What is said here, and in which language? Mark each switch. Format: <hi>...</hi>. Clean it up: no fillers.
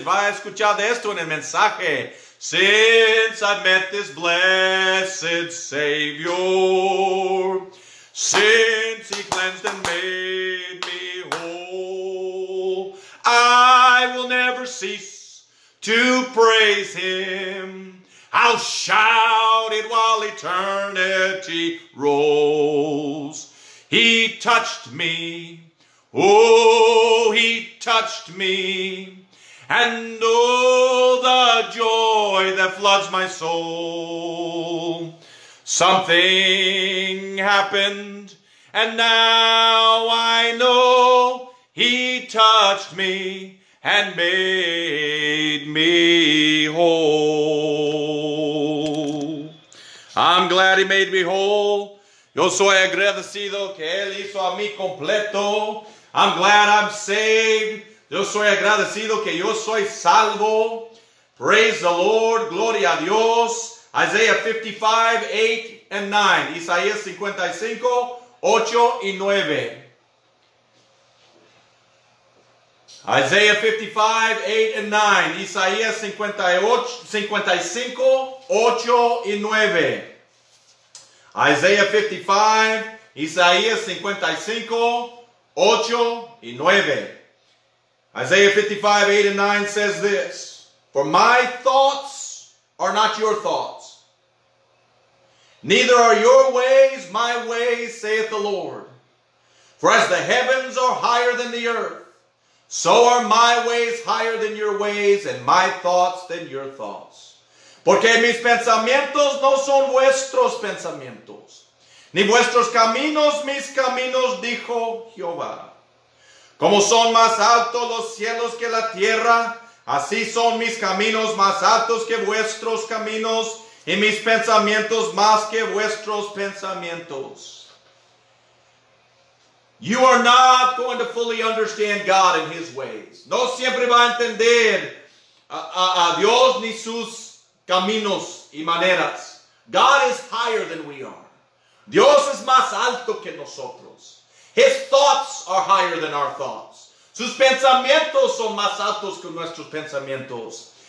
<es>Va a escuchar de esto en el mensaje.</es> <en>Since I met this blessed Savior, since he cleansed and made me whole, I will never cease to praise him. I'll shout it while eternity rolls. He touched me. Oh, he touched me. And oh, the joy that floods my soul. Something happened, and now I know he touched me and made me whole. I'm glad he made me whole.</en> <es>Yo soy agradecido que él hizo a mí completo.</es> <en>I'm glad I'm saved.</en> <es>Yo soy agradecido que yo soy salvo.</es> <en>Praise the Lord.</en> <es>Gloria a Dios.</es> <en>Isaiah 55, 8 and 9.</en> <es>Isaías 55, 8 y 9.</es> <en>Isaiah 55, 8 and 9.</en> <es>Isaías 55, 8 y 9. Isaiah 55, Isaías 55, 8 y 9.</es> <en>Isaiah 55, 8 and 9 says this, for my thoughts are not your thoughts, neither are your ways my ways, saith the Lord. For as the heavens are higher than the earth, so are my ways higher than your ways, and my thoughts than your thoughts.</en> <es>Porque mis pensamientos no son vuestros pensamientos, ni vuestros caminos mis caminos, dijo Jehová. Como son más altos los cielos que la tierra, así son mis caminos más altos que vuestros caminos, y mis pensamientos más que vuestros pensamientos.</es> <en>You are not going to fully understand God and his ways.</en> <es>No siempre va a entender a Dios ni sus caminos y maneras.</es> <en>God is higher than we are.</en> <es>Dios es más alto que nosotros.</es> <en>His thoughts are higher than our thoughts.</en> <es>Sus pensamientos son más altos que nuestros pensamientos.</es>